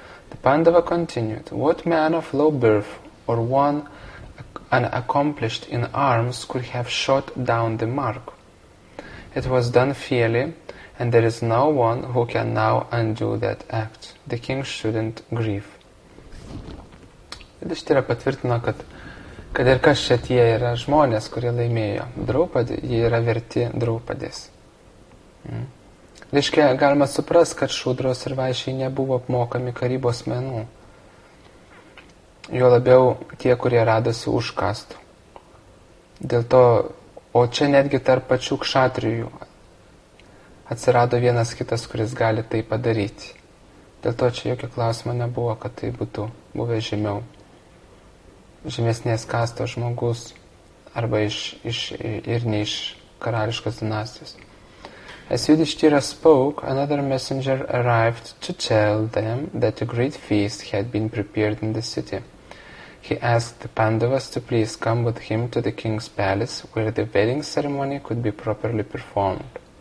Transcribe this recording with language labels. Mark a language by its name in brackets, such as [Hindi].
[English] The Pandava continued, What man of low birth or one unaccomplished in arms could have shot down the mark? It was done fairly, and there is no one who can now undo that act. The king shouldn't grieve. [Lithuanian] Yudhishthira patvirtino, kad ir kas čia tie yra žmonės, kurie laimėjo Draupadį, jie yra verti Draupadis. Reiškia, galima supras, kad šūdros ir vaišiai nebuvo apmokami karybos menų. Jo labiau tie, kurie radosi užkastų. Dėl to, o čia netgi tarp pačių kšatrijų atsirado vienas kitas, kuris gali tai padaryti. Dėl to čia jokio klausimo nebuvo, kad tai būtų buvę žemiau. Žemesnės kasto žmogus arba ir ne iš karališkos dinastijos. [English] As Yudhishthira spoke, another messenger arrived to tell them that a great feast had been prepared in the city. He asked the Pandavas to please come with him to the king's palace where the wedding ceremony could be properly performed.